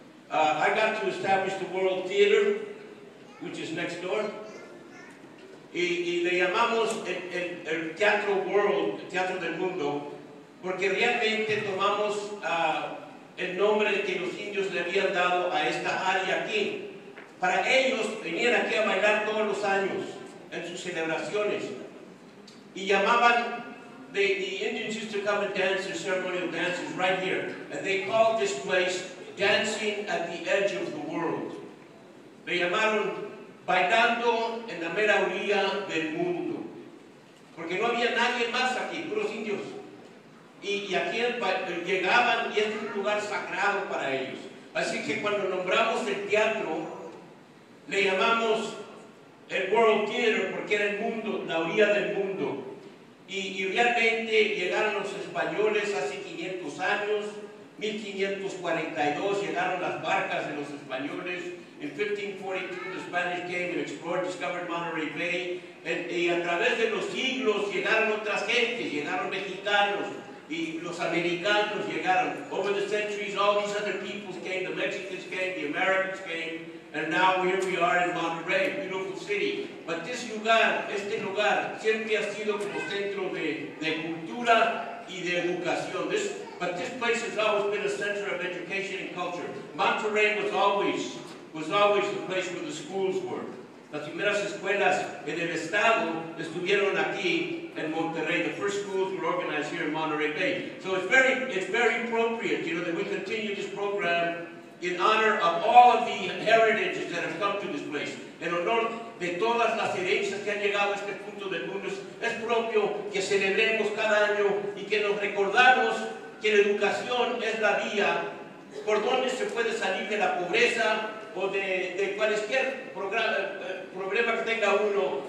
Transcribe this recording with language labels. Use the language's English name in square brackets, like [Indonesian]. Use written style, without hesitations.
[English] I got to establish the World Theater, which is next door. [Spanish] Y le llamamos el Teatro World, el Teatro del Mundo, porque realmente tomamos el nombre que los indios le habían dado a esta área aquí. Para ellos, venían aquí a bailar todos los años en sus celebraciones. Y llamaban, [English] the Indians used to come and dance their ceremonial dances right here. And they called this place Dancing at the Edge of the World. [Spanish] Le llamaron Bailando en la mera orilla del mundo. Porque no había nadie más aquí, puros indios. Y aquí llegaban y es un lugar sagrado para ellos. Así que cuando nombramos el teatro, le llamamos el World Theater porque era el mundo, la orilla del mundo. Y realmente llegaron los españoles hace 500 años. 1542 llegaron las barcas de los españoles. [English] In 1542, the Spanish came and explored, discovered Monterey Bay. [Spanish] Y a través de los siglos llegaron otras gentes, llegaron mexicanos y los americanos llegaron. [English] Over the centuries, all these other peoples came. The Mexicans came, the Americans came, and now here we are in Monterey, beautiful city. But this [Spanish] lugar, este lugar, siempre ha sido como centro de cultura y de educación. [English] But this place has always been a center of education and culture. Monterey was always the place where the schools were. [Spanish] Las primeras escuelas en el estado estuvieron aquí en Monterrey. [English] The first schools were organized here in Monterey Bay. So it's very appropriate, you know, that we continue this program in honor of all of the heritages that have come to this place. [Spanish] En honor de todas las herencias que han llegado a este punto del mundo, es propio que celebremos cada año y que nos recordamos que la educación es la vía por donde se puede salir de la pobreza o de cualquier problema que tenga uno.